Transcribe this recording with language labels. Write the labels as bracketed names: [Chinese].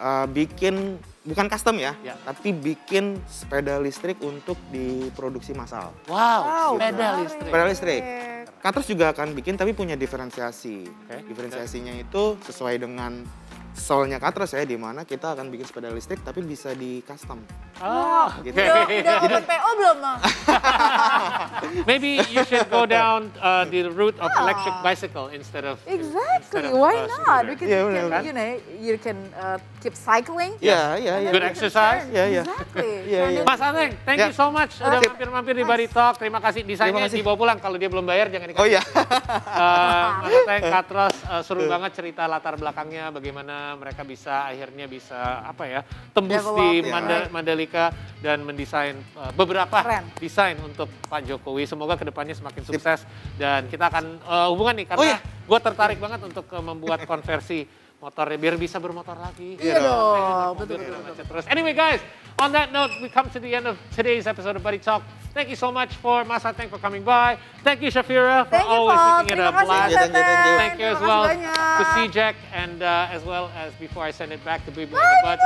[Indonesian] Bikin, bukan custom ya, tapi bikin sepeda listrik untuk diproduksi massal. Wow, gitu. Sepeda listrik. Sepeda listrik. Katros juga akan bikin tapi punya diferensiasi. Okay. Diferensiasinya itu sesuai dengan soalnya Katros ya, di mana kita akan bikin sepeda listrik tapi bisa di custom. Oh, gitu. Udah open PO belum, Ma? [English] Maybe you should go down the route of electric bicycle instead of... Exactly, instead of, why not? We can, you know, you can keep cycling. Yeah. Good exercise. Yeah. Exactly. [Indonesian] Mas Ateng, [English] thank you so much [Indonesian] udah mampir-mampir di Buddy Talk. Terima kasih, desainnya dibawa pulang. Kalau dia belum bayar, jangan dikasih. Oh iya. Mas Ateng, Katros, seru banget cerita latar belakangnya, bagaimana mereka bisa akhirnya bisa apa ya tembus di Mandalika dan mendesain beberapa desain untuk Pak Jokowi. Semoga kedepannya semakin sukses dan kita akan hubungan nih karena gue tertarik banget untuk membuat konversi motornya biar bisa bermotor lagi. Iya dong, betul-betul. Terus [English] anyway guys, on that note we come to the end of today's episode of Buddy Talk. Thank you so much for Mas Ateng for coming by. Thank you Shafira for always making it a blast. Thank you as well to see Jack and as well as before I send it back to Bibi and the Buds.